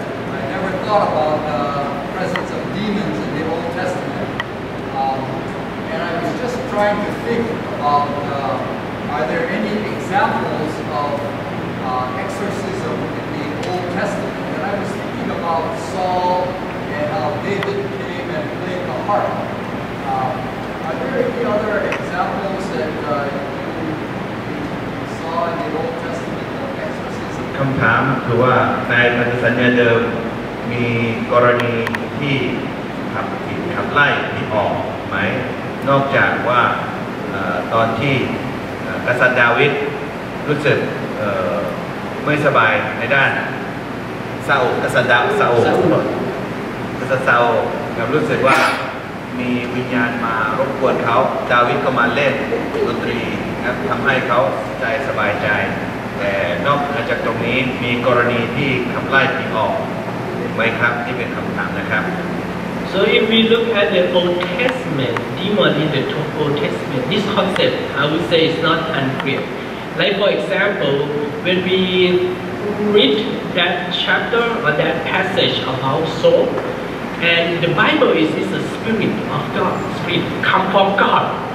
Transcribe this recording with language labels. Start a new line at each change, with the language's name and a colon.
English: About the presence of demons in the Old Testament, and I was just trying to think about are there any examples of exorcism in the Old Testament? And I was thinking about Saul and how David came and played the harp. Are there any other examples that you saw in the Old Testament of exorcism?
Thai: คำถามคือว่าในปฏิสัญญาเดิมมีกรณีที่ขับผีขับไล่ผีออกไหมนอกจากว่าตอนที่กษัตริย์ดาวิดรู้สึก ไม่สบายในด้านซาอูกษัตริย์ดาวิดซาอูกษัตริย์ซาอูกับรู้สึกว่ามีวิญญาณมารบกวนเขาดาวิดก็มาเล่นดนตรีนะทำให้เขาใจสบายใจแต่นอกจากตรงนี้มีกรณีที่ขับไล่ผีออกไว้ครับที่เป็นคำถามนะครับ
English: So if we look at the Old Testament, demon in the Old Testament, this concept I would say is not unclear. Like for example, when we read that chapter or that passage about Saul, and the Bible is the spirit of God, spirit come from God.